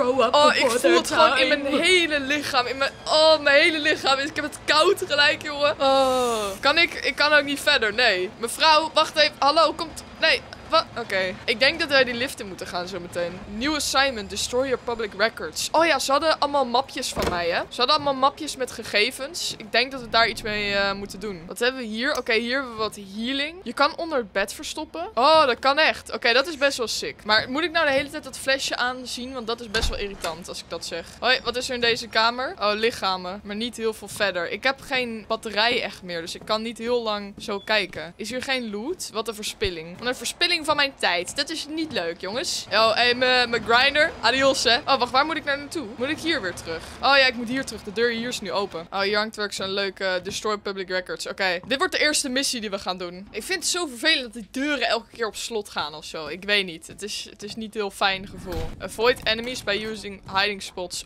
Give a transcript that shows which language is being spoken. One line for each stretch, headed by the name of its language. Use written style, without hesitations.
Dutch: Oh, ik voel het gewoon in mijn hele lichaam. Oh, mijn hele lichaam. Ik heb het koud gelijk, jongen. Oh. Ik kan ook niet verder. Nee. Mevrouw, wacht even. Hallo, komt... Nee. Oké. Ik denk dat wij die lift in moeten gaan zo meteen.
English: New assignment, destroy your public records.
Dutch: Oh ja, ze hadden allemaal mapjes van mij, hè? Ze hadden allemaal mapjes met gegevens. Ik denk dat we daar iets mee moeten doen. Wat hebben we hier? Oké, hier hebben we wat healing. Je kan onder het bed verstoppen. Oh, dat kan echt. Oké, dat is best wel sick. Maar moet ik nou de hele tijd dat flesje aanzien? Want dat is best wel irritant als ik dat zeg. Hoi, wat is er in deze kamer? Oh, lichamen. Maar niet heel veel verder. Ik heb geen batterij echt meer, dus ik kan niet heel lang zo kijken. Is hier geen loot? Wat een verspilling. Want een verspilling van mijn tijd. Dat is niet leuk, jongens. Oh, hey, mijn grinder. Adios, hè. Oh, wacht, waar moet ik naar naartoe? Moet ik hier weer terug? Oh ja, ik moet hier terug. De deur hier is nu open. Oh, hier hangt werk zo'n leuke Destroy Public Records. Oké. Dit wordt de eerste missie die we gaan doen. Ik vind het zo vervelend dat die deuren elke keer op slot gaan of zo. Ik weet niet. Het is niet heel fijn gevoel.
English: Avoid enemies by using hiding spots.